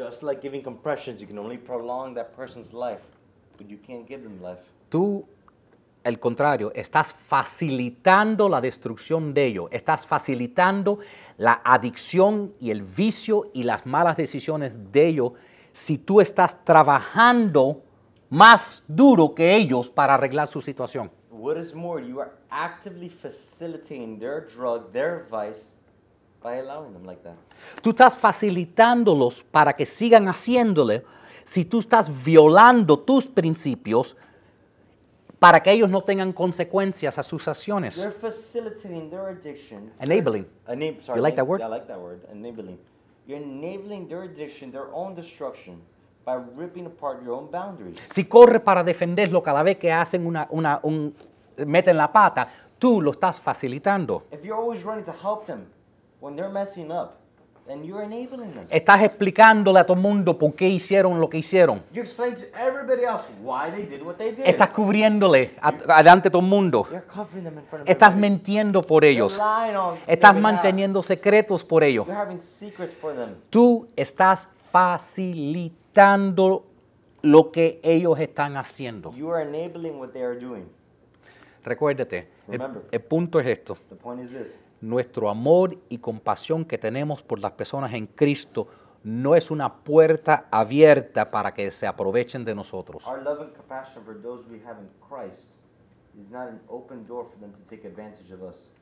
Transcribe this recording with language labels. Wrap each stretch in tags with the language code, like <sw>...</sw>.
<en>Just like giving compressions, you can only prolong that person's life, but you can't give them life.</en> <es>Tú, al contrario, estás facilitando la destrucción de ellos. Estás facilitando la adicción y el vicio y las malas decisiones de ellos si tú estás trabajando más duro que ellos para arreglar su situación.</es> <en>What is more, you are actively facilitating their drug, their vice, by allowing them like that.</en> <es>Tú estás facilitándolos para que sigan haciéndole si tú estás violando tus principios para que ellos no tengan consecuencias a sus acciones.</es> <en>They're facilitating their addiction. Enabling. Sorry. You like that word? Yeah, I like that word. Enabling. You're enabling their addiction, their own destruction, by ripping apart your own boundaries.</en> <es>Si corres para defenderlo cada vez que hacen un meten la pata, tú lo estás facilitando.</es> <en>If you're always running to help them when they're messing up, and you're enabling them.</en> <es>Estás explicándole a todo mundo por qué hicieron lo que hicieron.</es> <en>You explain to everybody else why they did what they did.</en> <es>Estás cubriéndole adelante todo mundo.</es> <en>You're covering them in front of everybody.</en> <es>Estás mintiendo por ellos.</es> <en>You're lying on</en> <es>estás manteniendo</es> <en>behalf.</en> <es>Secretos por ellos.</es> <en>You're having secrets for them.</en> <es>Tú estás facilitando lo que ellos están haciendo.</es> <en>You are enabling what they are doing.</en> <es>Recuérdate,</es> <en>Remember,</en> <es>el punto es esto.</es> <en>The point is this.</en> <es>Nuestro amor y compasión que tenemos por las personas en Cristo no es una puerta abierta para que se aprovechen de nosotros.</es> <en>Our love and compassion for those we have in Christ is not an open door for them to take advantage of us.</en>